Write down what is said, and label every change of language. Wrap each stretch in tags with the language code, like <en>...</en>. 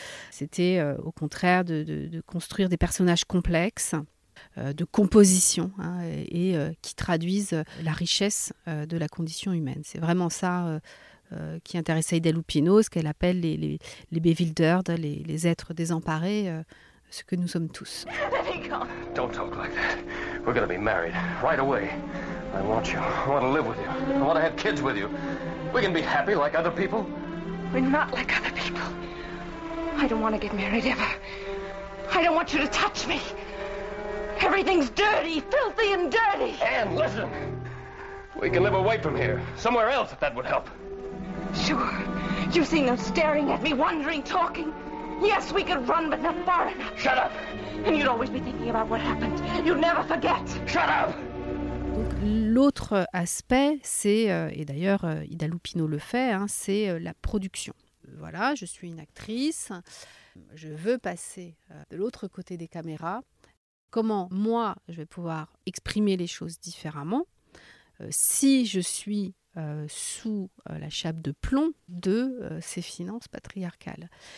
<fr>C'était au contraire de construire des personnages complexes, de composition hein, et qui traduisent la richesse de la condition humaine. C'est vraiment ça qui intéressait Ida Lupino, ce qu'elle appelle les bewildered, les êtres désemparés, ce que nous sommes tous.</fr> <en>Don't talk like that. We're gonna be married right away. I want you. I want to live with you. I want to have kids with you. We can be happy like other people. We're not like other people. I don't want to get married ever. I don't want you to touch me. Everything's dirty, filthy and dirty. Anne, listen. We can live away from here, somewhere else, if that would help. Sure. You've seen them staring at me, wondering, talking. Yes, we could run, but not far enough. Shut up. And you'd always be thinking about what happened. You'd never forget. Shut up.</en> <fr>Donc, l'autre aspect, c'est, et d'ailleurs Ida Lupino le fait, hein, c'est la production. Voilà, je suis une actrice, je veux passer de l'autre côté des caméras. Comment, moi, je vais pouvoir exprimer les choses différemment si je suis sous la chape de plomb de ces finances patriarcales.</fr>